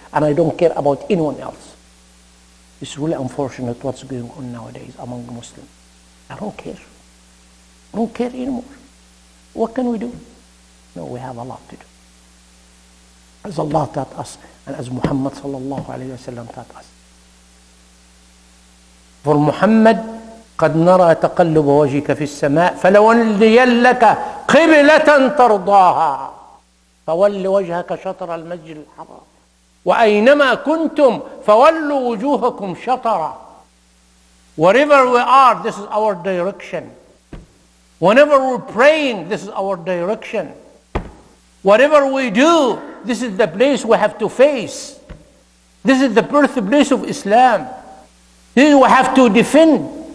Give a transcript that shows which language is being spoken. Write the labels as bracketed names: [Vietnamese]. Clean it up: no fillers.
[English] And I don't care about anyone else. It's really unfortunate what's going on nowadays among Muslims. I don't care. I don't care anymore. What can we do? No, we have a lot to do. As Allah taught us, and as Muhammad sallallahu alayhi wa sallam taught us. [Arabic] For Muhammad, قَدْ نَرَى تَقَلُّبَ وَجِهِكَ فِي السَّمَاءِ فَلَوَلِّيَلَّكَ قِبْلَةً تَرْضَاهَا فَوَلِّ وَجْهَكَ شَطْرَ الْمَسْجِدِ الْحَرَامِ وأينما كنتم فولوا وجوهكم شطرا. [English] Wherever we are, this is our direction. Whenever we're praying, this is our direction. Whatever we do, this is the place we have to face. This is the birthplace of Islam. This is we have to defend.